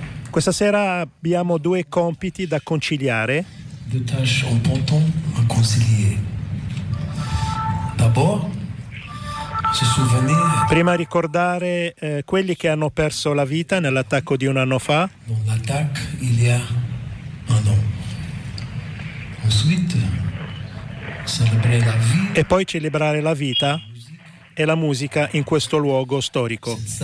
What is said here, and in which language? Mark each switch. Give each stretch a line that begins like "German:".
Italian: Questa sera abbiamo due compiti da conciliare.
French: Due tâches importantes à concilier. D'abord, se souvenir.
Italian: Prima ricordare quelli che hanno perso la vita nell'attacco di un anno fa.
French: Dans l'attaque il y a un an. Ensuite, célébrer la vie.
Italian: E poi celebrare la vita e la musica in questo luogo storico.